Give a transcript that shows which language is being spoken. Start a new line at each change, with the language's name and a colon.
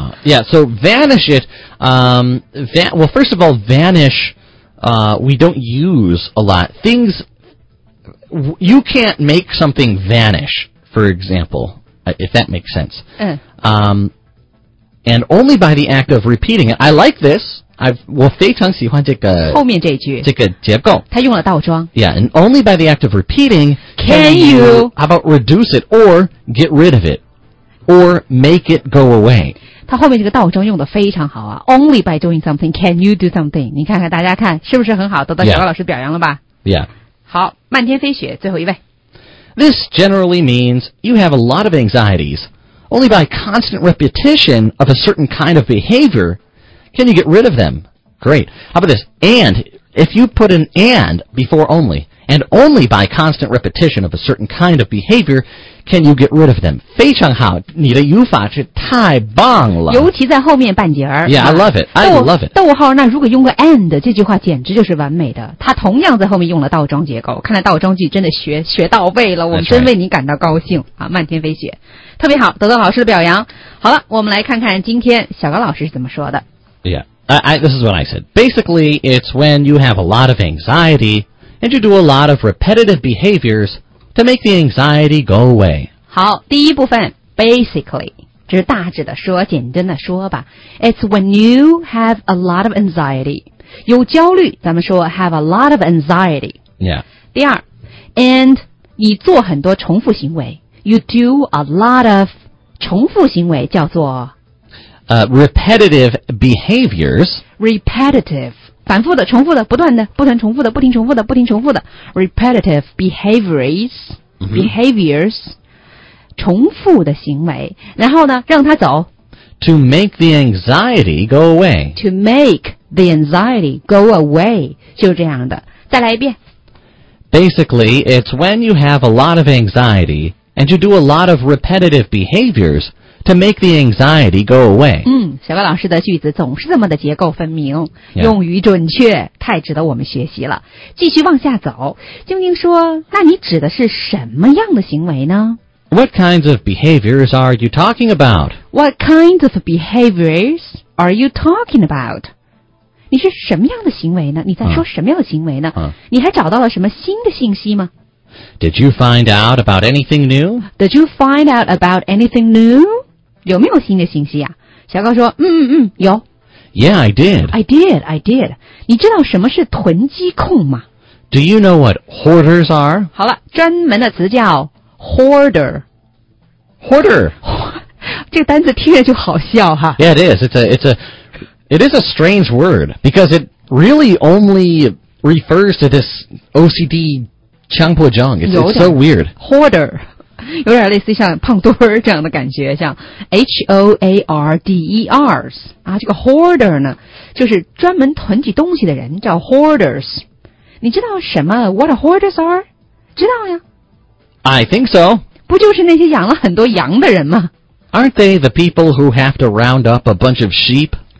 English: Yeah so vanish it、well first of all vanish、we don't use a lot ThingsYou can't make something vanish, for example, if that makes sense.、And only by the act of repeating it. I like this.
Chinese: 我非常喜欢这个后面这句这个结构。他用了倒装。
English: Yeah, and only by the act of repeating can you how about reduce it or get rid of it or make it go away.
Chinese: 他后面这个倒装用的非常好啊
English: Only by doing something can you do something.
Chinese: 你看看大家看是不是很好得到小高老师表扬了吧
English: Yeah. yeah.
Chinese: 好漫天飞雪最后一位
English: This generally means you have a lot of anxieties. Only by constant repetition of a certain kind of behavior can you get rid of them. Great. How about this? And if you put an and before only, and only by constant repetition of a certain kind of behavior can you get rid of them.
Chinese: 非常好你的语法是太棒了尤其在后面半截
English: Yeah, I love it. I love it.
Chinese: 逗号那如果用个 and, 这句话简直就是完美的。它同样在后面用了倒装结构。看来倒装句真的学到位了我们真为你感到高兴。
English: That's right.
Chinese: 啊漫天飞雪。特别好得到老师的表扬。好了我们来看看今天小高老师是怎么说的。
English: Yeah, this is what I said. Basically, it's when you have a lot of anxiety and you do a lot of repetitive behaviors to make the anxiety go away.
Chinese: 好第一部分 basically. 就是大致的说简单的说吧
English: It's when you have a lot of anxiety
Chinese: 有焦虑咱们说
English: have a lot of anxiety Yeah
Chinese: 第二 And 你做很多重复行为
English: You do a lot of
Chinese: 重复行为叫做、
English: Repetitive behaviors
Chinese: Repetitive 反复的重复的不断的不断重复的不停重复的不停重复的
English: Repetitive behaviors、 mm-hmm.
Chinese: Behaviors重复的行为然后呢让他走
English: To make the anxiety go away. To make the anxiety go away.
Chinese: 就这样的。再来一遍。
English: Basically, it's when you have a lot of anxiety and you do a lot of repetitive behaviors to make the anxiety go away.
Chinese: 嗯，小白老师的句子总是这么的结构分明、
English: yeah.
Chinese: 用语准确，太值得我们学习了。继续往下走，晶晶说，那你指的是什么样的行为呢？
English: What kinds of behaviors are you talking about? What kinds of behaviors are you talking about?
Chinese: 你是什么样的行为呢？你在说什么样的行为呢？你还找到了什么新的信息吗？
English: Did you find out about anything new? Did you find out about anything new?
Chinese: 有没有新的信息啊？小高说，有。
English: Yeah, I did. I did, I did.
Chinese: 你知道什么是囤积控吗？
English: Do you know what hoarders are?
Chinese: 好了，专门的词叫Hoarder.
English: Hoarder.
Chinese: 这个单词听着就好笑哈。
English: Yeah, it is. It is a strange word because it really only refers to this OCD
Chinese: 强迫症.
English: It's so weird.
Chinese: Hoarder. 有点类似像胖墩儿这样的感觉，像 H-O-A-R-D-E-Rs. 啊，这个 hoarder 呢，就是专门囤积东西的人，叫 hoarders. 你知道什么
English: what hoarders are?
Chinese: 知道呀。
English: I think so.
Chinese: 不就是那些养了很多羊的人吗？
English: Aren't they the people who have to round up a bunch of sheep?